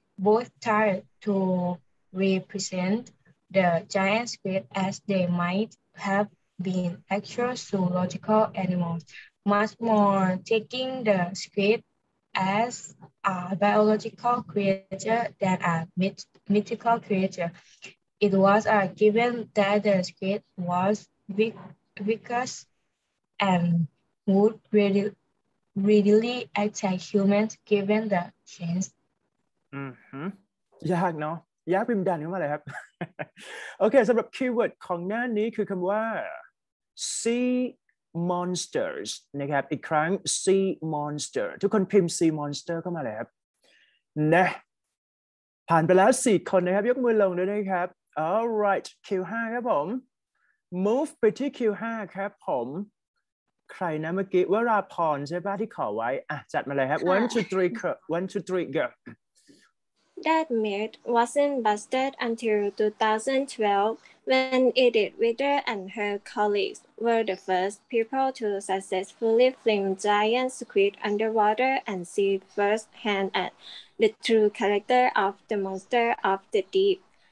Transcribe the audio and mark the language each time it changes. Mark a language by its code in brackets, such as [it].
[en] Both tried to represent the giant squid as they might have been actual zoological animals, much more taking the squid as a biological creature than a mythical creature. It was a given that the squid was vicious and would readily attack humans given the chance. [th] ยากเนาะยากพิมพ์ดันเข้ามาเลยครับโอเคสำหรับคีย์เวิร์ดของหน้านี้คือคำว่า sea monsters นะครับอีกครั้ง sea monster ทุกคนพิมพ์ sea monster เข้ามาเลยครับนะผ่านไปแล้ว4คนนะครับยกมือลงด้วยนะครับ all right คิว5ครับผม move ไปที่คิว5ครับผมใครนะเมื่อกี้วราพรใช่ป่ะที่ขอไว้อ่ะจัดมาเลยครับ [en] one two three go [th] one two three go [en] That myth wasn't busted until 2012 when Edith Wader and her colleagues were the first people to successfully film giant squid underwater and see firsthand at the true character of the monster of the deep.